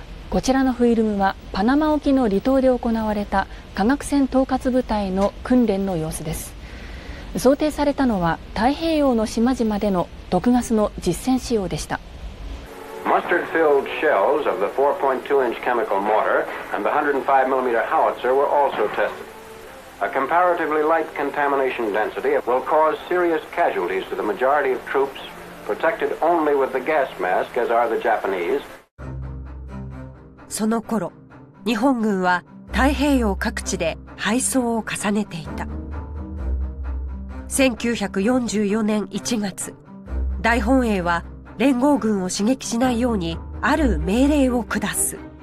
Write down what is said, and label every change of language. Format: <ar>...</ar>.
<ja>こちらのフィルムはパナマ沖の離島で行われた化学戦統括部隊の訓練の様子です。想定されたのは太平洋の島々での毒ガスの実戦使用でした。</ja> <en>マスタード filled shells of the 4.2 inch chemical mortar and the 105 millimeter howitzer were also tested. A comparatively light contamination density will cause serious casualties to the majority of troops protected only with the gas mask, as are the Japanese.</en> <ja>その頃、日本軍は太平洋各地で敗走を重ねていた。 1944年1月、大本営は連合軍を刺激しないようにある命令を下す。</ja>